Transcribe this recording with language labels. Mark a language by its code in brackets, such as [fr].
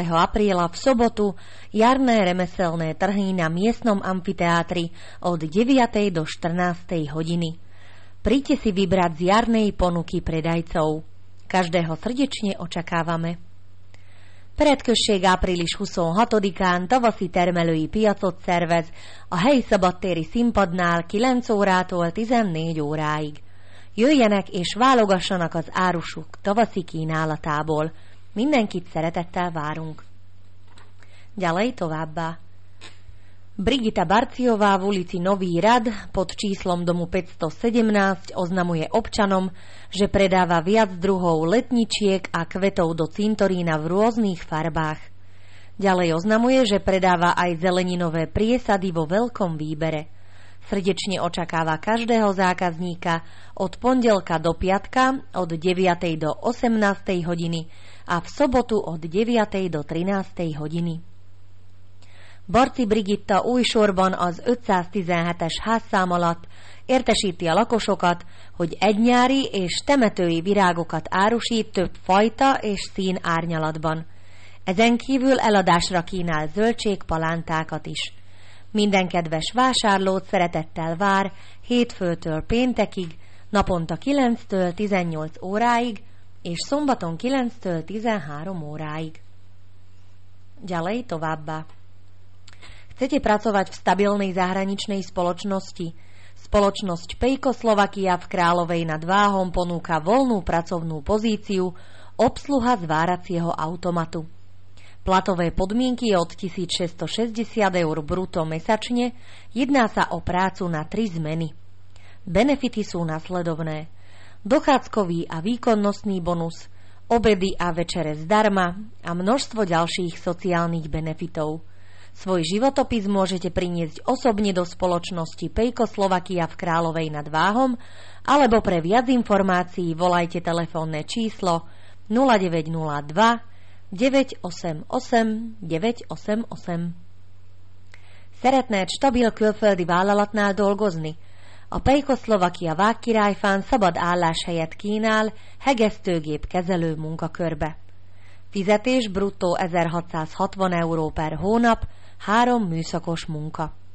[sk] apríla v sobotu jarné remeselné trhy na miestnom amfiteátri od 9. do 14. hodiny. Príďte si vybrať z jarnej ponuky predajcov. Každého srdečne očakávame. [hu] Predkršek apríliš husom hatodikán tovasi termelői piacot szervez a helyi szabadtéri színpadnál 9 órától 14 óráig. Jöjjenek és válogassanak az árusuk tavaszi kínálatából. Mindenkit szeretettel várunk. Gyalej továbbá. [sk] Brigita Barciová v ulici Nový Rad pod číslom domu 517 oznamuje občanom, že predáva viac druhov letničiek a kvetov do cintorína v rôznych farbách. Ďalej oznamuje, že predáva aj zeleninové priesady vo veľkom výbere. Srdečne očakáva každého zákazníka od pondelka do piatka od 9. do 18. hodiny a v sobotu od 9. do 13. hodiny. [hu] Barci Brigitta új sorban az 517-es házszám alatt értesíti a lakosokat, hogy egynyári és temetői virágokat árusít több fajta és szín árnyalatban. Ezen kívül eladásra kínál zöldségpalántákat is. Minden kedves vásárlót szeretettel vár hétfőtől péntekig, naponta 9-től 18 óráig és szombaton 9-től 13 óráig. Gyalej továbbá. [sk] Chcete pracovať v stabilnej zahraničnej spoločnosti? Spoločnosť Pejko Slovakia v Královej nad Váhom ponúka voľnú pracovnú pozíciu obsluha zváracieho automatu. Platové podmienky je od 1660 eur bruto mesačne, jedná sa o prácu na 3 zmeny. Benefity sú nasledovné. Dochádzkový a výkonnostný bonus, obedy a večere zdarma a množstvo ďalších sociálnych benefitov. Svoj životopis môžete priniesť osobne do spoločnosti Pejko Slovakia v Královej nad Váhom alebo pre viac informácií volajte telefónne číslo 0902 988 988. [hu] Szeretnéd stabil külföldi vállalatnál dolgozni? A Pejko Slovakia Vágkirályfán szabad álláshelyet kínál hegesztőgép kezelő munkakörbe. Fizetés bruttó 1660 euró per hónap, 3 műszakos munka.